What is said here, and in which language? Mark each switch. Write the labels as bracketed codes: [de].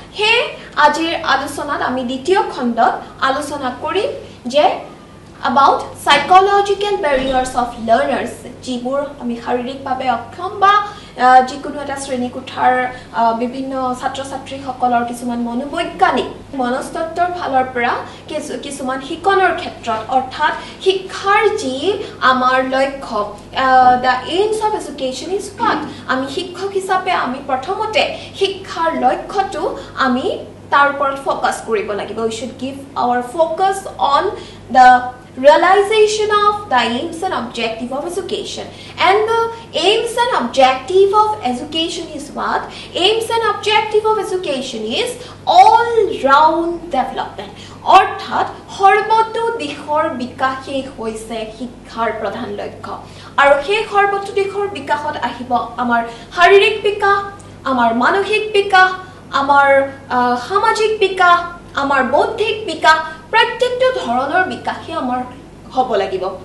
[as] সেয়ে আজিৰ আলোচনাত আমি দ্বিতীয় খণ্ডত আলোচনা কৰিম যে [en] about psychological barriers of learners, [as] যিবোৰ আমি শাৰীৰিকভাৱে অক্ষম বা যিকোনো এটা শ্ৰেণীকোঠাৰ বিভিন্ন ছাত্ৰ ছাত্ৰীসকলৰ কিছুমান মনোবৈজ্ঞানিক মনস্তত্বৰ ফালৰ পৰা কিছুমান শিকনৰ ক্ষেত্ৰত, অৰ্থাৎ শিক্ষাৰ যি আমাৰ লক্ষ্য, [en] the aims of education is what, [as] আমি শিক্ষক হিচাপে আমি প্ৰথমতে শিক্ষাৰ লক্ষ্যটো আমি তাৰ ওপৰত ফ'কাছ কৰিব লাগিব। [en] We should give our focus on the realization of the aims and objective of education. And the aims and objective of education is what? Aims and objective of education is all round development. [as] অৰ্থাৎ সৰ্বতো দিশৰ বিকাশেই হৈছে শিক্ষাৰ প্ৰধান লক্ষ্য, আৰু সেই সৰ্বতো দিশৰ বিকাশত আহিব আমাৰ শাৰীৰিক বিকাশ, আমাৰ মানসিক বিকাশ, আমাৰ সামাজিক বিকাশ, আমাৰ বৌদ্ধিক বিকাশ, প্ৰত্যেকটো ধৰণৰ বিকাশে আমাৰ হ'ব লাগিব।